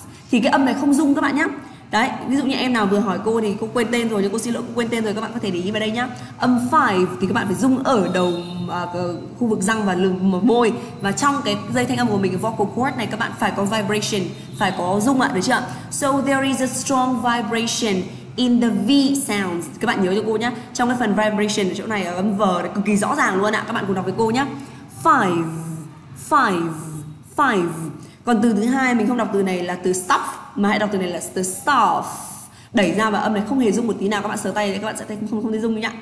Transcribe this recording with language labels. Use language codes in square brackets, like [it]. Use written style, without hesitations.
[vi] Thì cái âm này không rung các bạn nhé. Đấy, ví dụ như em nào vừa hỏi cô thì cô quên tên rồi, nhưng cô xin lỗi, cô quên tên rồi, các bạn có thể để ý vào đây nhá. Âm 5 thì các bạn phải rung ở đầu khu vực răng và lưng và môi. Và trong cái dây thanh âm của mình, cái vocal cord này, các bạn phải có vibration, phải có rung ạ, được chưa? [en] So there is a strong vibration in the V sounds. [vi] Các bạn nhớ cho cô nhá, trong cái phần vibration ở chỗ này, ở âm V này, cực kỳ rõ ràng luôn ạ. Các bạn cùng đọc với cô nhá. 5 5 5. Còn từ thứ hai mình không đọc từ này là từ stop, mà hãy đọc từ này là từ stuff. Đẩy ra và âm này không hề rung một tí nào. Các bạn sờ tay thì các bạn sẽ thấy không thấy rung nhá.